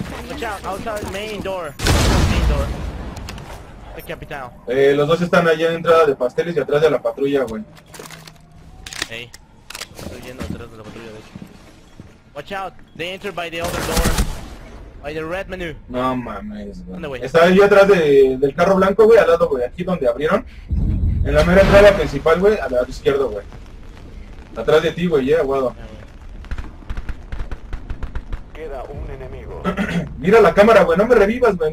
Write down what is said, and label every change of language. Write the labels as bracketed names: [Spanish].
[English] Watch out, outside main door. Main door. The capital. [Spanish] Los dos están allá en entrada de pasteles y atrás de la patrulla, güey. Hey. Estoy yendo atrás de la patrulla, de hecho. [English] Watch out, they enter by the other door. By the red menu. [Spanish] No mames, güey. Está ahí atrás del carro blanco, güey, al lado, güey. Aquí donde abrieron. En la mera entrada principal, güey, al lado izquierdo, güey. Atrás de ti, güey, yeah, guado. Queda un enemigo. Mira la cámara, güey. No me revivas, güey.